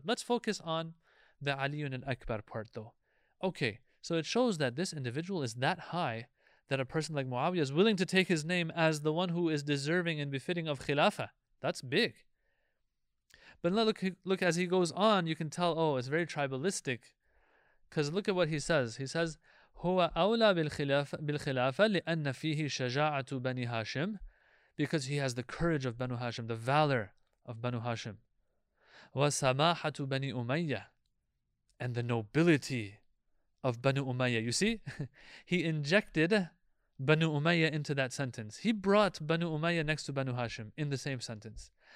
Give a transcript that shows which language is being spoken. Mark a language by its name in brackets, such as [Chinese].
[English] Let's focus on the Ali ibn al-Akbar part though. Okay, so it shows that this individual is that high that a person like Muawiyah is willing to take his name as the one who is deserving and befitting of Khilafah. That's big. But look as he goes on, you can tell, oh, it's very tribalistic. Because look at what he says. He says, [Arabic] هُوَ أَوْلَى بِالْخِلَافَةِ لِأَنَّ فِيهِ شَجَاعَةُ بَنِي هَاشِمْ. [English] Because he has the courage of Banu Hashim, the valor of Banu Hashim. [Arabic] وَسَمَاحَةُ بَنِي أُمَيَّةِ. [English] And the nobility of Banu Umayyah. You see, he injected Banu Umayyah into that sentence. He brought Banu Umayyah next to Banu Hashim in the same sentence.